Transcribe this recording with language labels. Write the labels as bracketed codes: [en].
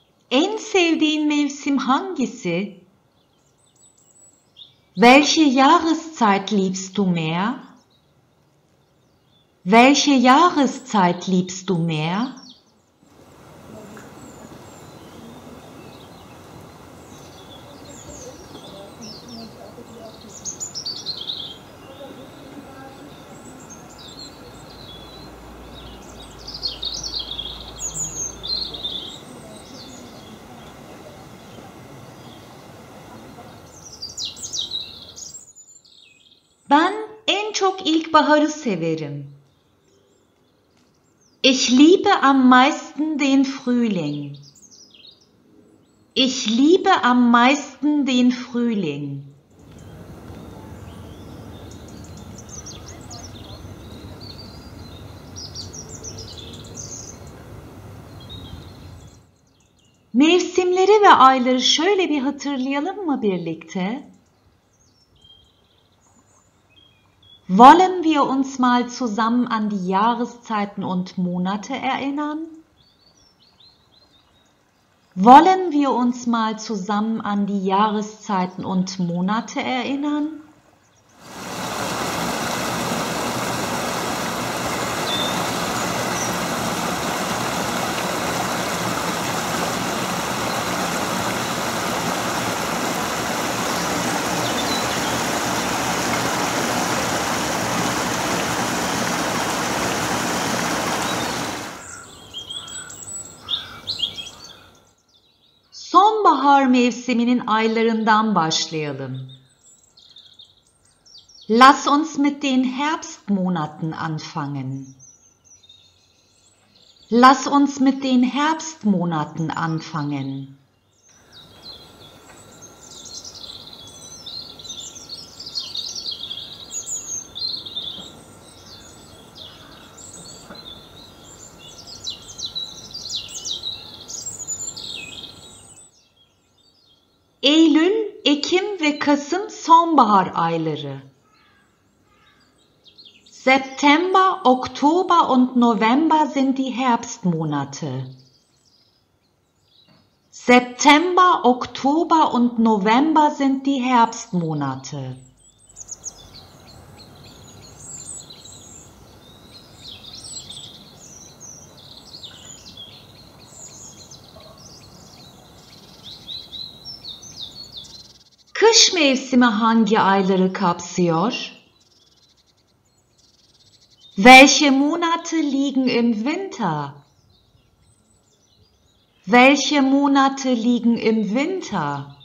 [tr] En sevdiğin mevsim hangisi? [de] Welche Jahreszeit liebst du mehr? Welche Jahreszeit liebst du mehr? [tr] Ben en çok ilkbaharı severim. [de] Ich liebe am meisten den Frühling. Ich liebe am meisten den Frühling. [tr] Mevsimleri ve ayları şöyle bir hatırlayalım mı birlikte? [de] Wollen wir uns mal zusammen an die Jahreszeiten und Monate erinnern? Wollen wir uns mal zusammen an die Jahreszeiten und Monate erinnern? [tr] Sonbahar mevsiminin aylarından başlayalım. [de] Lass uns mit den Herbstmonaten anfangen. Lass uns mit den Herbstmonaten anfangen. [tr] Eylül, Ekim ve Kasım sonbahar ayları. [de] September, Oktober und November sind die Herbstmonate. September, Oktober und November sind die Herbstmonate. [tr] Kış mevsimi hangi ayları kapsıyor? [de] Welche Monate liegen im Winter? Welche Monate liegen im Winter?